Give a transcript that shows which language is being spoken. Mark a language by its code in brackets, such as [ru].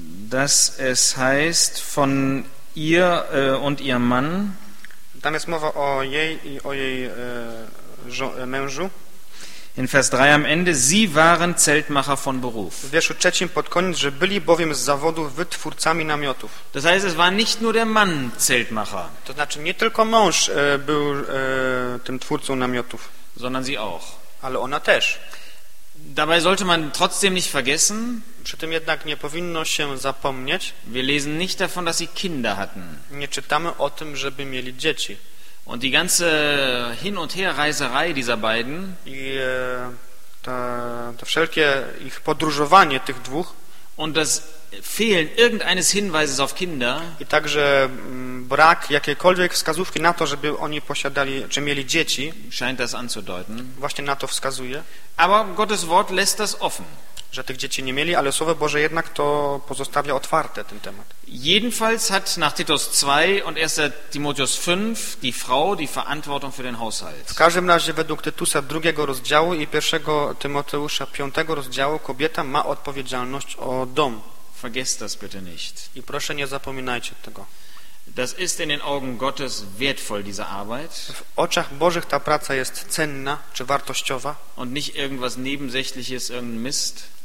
[de] Dass es heißt von ihr und ihrem Mann. [pl] Tam jest mowa o jej i o jej mężu. [de] In Vers 3 am Ende, sie waren Zeltmacher von Beruf. [pl] W wierszu trzecim pod koniec, że byli bowiem z zawodu wytwórcami namiotów. [de] Das heißt, es war nicht nur der Mann Zeltmacher. [pl] To znaczy, nie tylko mąż był tym twórcą namiotów. [de] Sondern sie auch. [pl] Ale ona też. [de] Dabei sollte man trotzdem nicht vergessen. [pl] Przy tym jednak nie powinno się zapomnieć. [de] Wir lesen nicht davon, dass sie Kinder hatten. [pl] Nie czytamy o tym, żeby mieli dzieci. [de] Und die ganze hin und her Reiserei dieser beiden. [pl] I to wszelkie ich podróżowanie tych dwóch. [de] Und das Fehlen irgendeines Hinweises auf Kinder. [pl] I także brak jakiejkolwiek wskazówki na to, żeby oni posiadali, czy mieli dzieci. [de] Scheint das anzudeuten. [pl] Właśnie na to wskazuje. [de] Aber Gottes Wort lässt das offen. [pl] Że tych dzieci nie mieli, ale Słowo Boże jednak to pozostawia otwarte ten temat. [de] Jedenfalls hat nach Titus 2 und 1 Timotheus 5 die Frau die Verantwortung für den Haushalt. [pl] W każdym razie według Tytusa drugiego rozdziału i pierwszego Tymoteusza piątego rozdziału kobieta ma odpowiedzialność o dom. [de] Vergesst das bitte nicht. [pl] I proszę, nie zapominajcie tego. [de] Das ist in den Augen Gottes wertvoll, diese Arbeit. [pl] W oczach Bożych ta praca jest cenna czy wartościowa. [de] Und nicht irgendwas Nebensächliches, irgendein Mist.